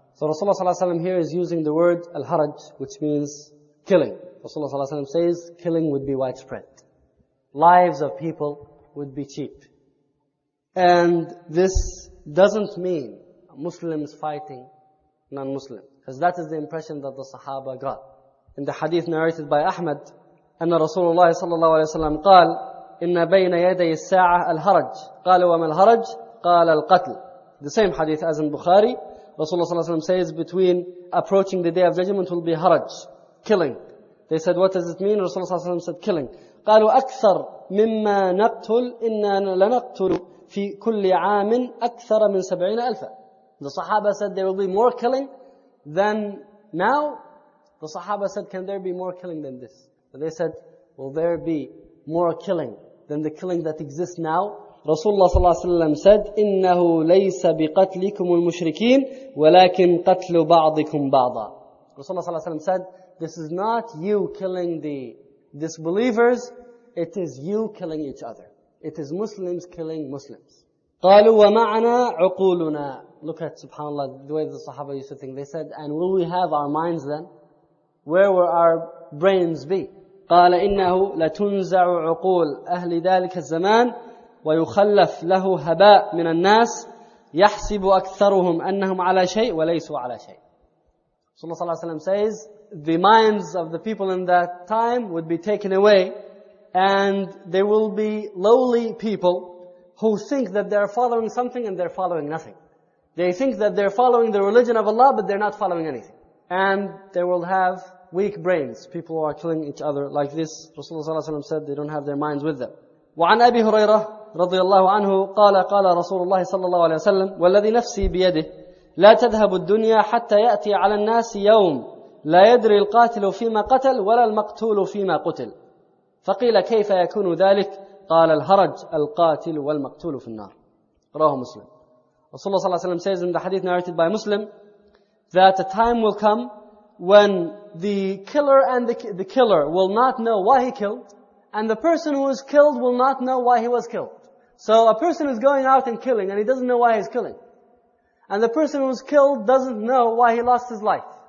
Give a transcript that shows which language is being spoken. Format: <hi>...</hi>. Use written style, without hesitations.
<en>So Rasulullah ﷺ here is using the word al-haraj, which means killing. Rasulullah ﷺ says killing would be widespread. Lives of people would be cheap. And this doesn't mean Muslims fighting non-Muslim, because that is the impression that the Sahaba got. In the hadith narrated by Ahmad,</en> <ar>أن رسول الله صلى الله عليه وسلم قال إن بين يدي الساعة الهرج قال وما الهرج قال القتل.</ar> <en>The same hadith as in Bukhari, Rasulullah صلى الله عليه وسلم says between approaching the day of judgment will be haraj, killing. They said what does it mean? Rasulullah صلى الله عليه وسلم said killing.</en> <ar>قالوا أكثر مما نقتل إن لنقتل في كل عام أكثر من 70,000.</ar> <en>The Sahaba said there will be more killing than now. The Sahaba said can there be more killing than this? But they said, will there be more killing than the killing that exists now? Rasulullah sallallahu alayhi wa sallam said,</en> <ar>إِنَّهُ لَيْسَ بِقَتْلِكُمُ الْمُشْرِكِينَ وَلَكِنْ قَتْلُ بَعْضِكُمْ بَعْضًا.</ar> <en>Rasulullah sallallahu alayhi wa sallam said, this is not you killing the disbelievers, it is you killing each other. It is Muslims killing Muslims.</en> <ar>قَالُوا وَمَعْنَا عُقُولُنَا.</ar> <en>Look at subhanAllah, the way the Sahaba used to think. They said, and will we have our minds then? Where were our brains be?</en> <ar>قال إنه لتنزع عقول أهل ذلك الزمان ويخلف له هباء من الناس يحسب أكثرهم أنهم على شيء وليسوا على شيء.</ar> <en>Rasulullah صلى الله عليه وسلم says the minds of the people in that time would be taken away, and there will be lowly people who think that they are following something and they're following nothing. They think that they're following the religion of Allah, but they're not following anything. And they will have weak brains, people who are killing each other like this. Rasulullah ﷺ said they don't have their minds with them.</en> <ar>وعن أبي هريرة رضي الله عنه قال قال رسول الله صلى الله عليه وسلم والذي نفسي بيده لا تذهب الدنيا حتى يأتي على الناس يوم لا يدري القاتل فيما قتل ولا المقتول فيما قتل. فقيل كيف يكون ذلك؟ قال الهرج القاتل والمقتول في النار. رواه مسلم.</ar> <en>Rasulullah ﷺ says in the hadith narrated by Muslim that a time will come when the killer and the killer will not know why he killed, and the person who is killed will not know why he was killed. So a person is going out and killing and he doesn't know why he's killing. And the person who is killed doesn't know why he lost his life.</en>